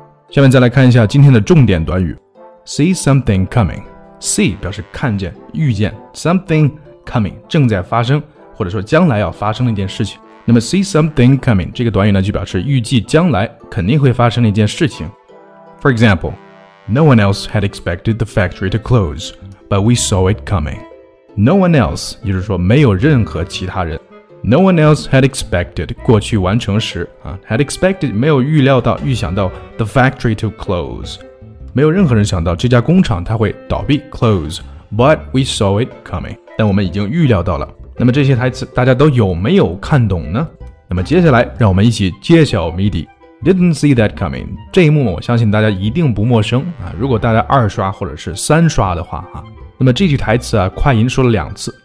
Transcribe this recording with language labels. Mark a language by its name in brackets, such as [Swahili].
[Chinese] 下面再来看一下今天的重点短语 , [English] see something coming, [Chinese] see 表示看见预见 ,something coming, 正在发生或者说将来要发生的一件事情。那么 see something coming, 这个短语呢就表示预计将来肯定会发生的一件事情。 [English] For example,No one else had expected the factory to close, but we saw it coming. No one else, [Chinese] 也就是说没有任何其他人。 [English] No one else had expected, [Chinese] 过去完成时、 [English] had expected, [Chinese] 没有预料到、预想到 [English] the factory to close. [Chinese] 没有任何人想到这家工厂它会倒闭 close, [English] but we saw it coming. [Chinese] 但我们已经预料到了。那么这些台词大家都有没有看懂呢？那么接下来让我们一起揭晓谜底。 [English] Didn't see that coming. [Chinese] 这一幕我相信大家一定不陌生、如果大家二刷或者是三刷的话、那么这句台词、快银说了两次。